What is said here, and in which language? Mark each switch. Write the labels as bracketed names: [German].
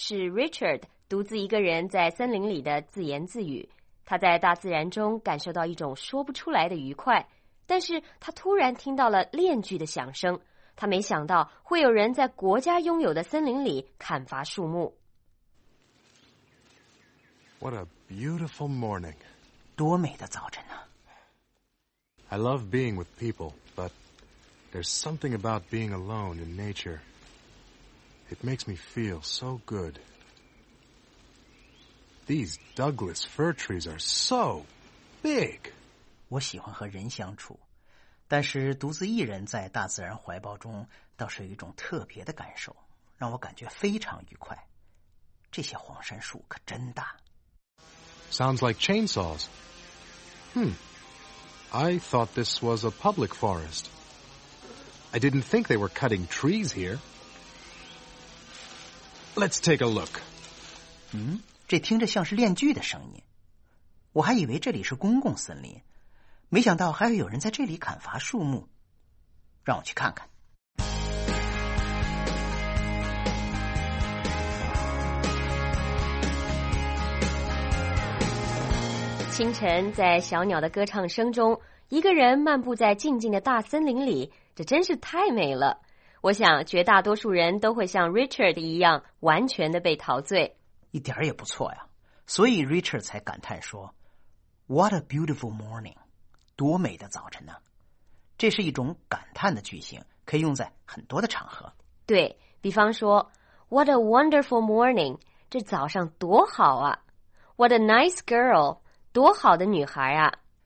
[Chinese] Richard 独自一个人在森林里的自言自语，他在大自然中感受到一种说不出来的愉快，但是他突然听到了链锯的响声，他没想到会有人在国家拥有的森林里砍伐树木。 [English] What a beautiful morning. [Chinese] 多美的早晨啊。 [English] I love being with people, but there's something about being alone in nature. It makes me feel so good. These Douglas fir trees are so big. [Chinese] 我喜欢和人相处，但是独自一人在大自然怀抱中倒是有一种特别的感受，让我感觉非常愉快。这些黄杉树可真大。 [English] Sounds like chainsaws. I thought this was a public forest. I didn't think they were cutting trees here. Let's take a look. [Chinese] 这听着像是链锯的声音，我还以为这里是公共森林，没想到还会有人在这里砍伐树木。让我去看看。清晨，在小鸟的歌唱声中，一个人漫步在静静的大森林里，这真是太美了。我想，绝大多数人都会像 Richard 一样，完全的被陶醉。一点儿也不错呀，所以 Richard 才感叹说 [English] What a beautiful morning， [Chinese] 多美的早晨呢、啊、这是一种感叹的句型，可以用在很多的场合。对，比方说 [English] What a wonderful morning， [Chinese] 这早上多好啊。 [English] What a nice girl， [Chinese] 多好的女孩啊。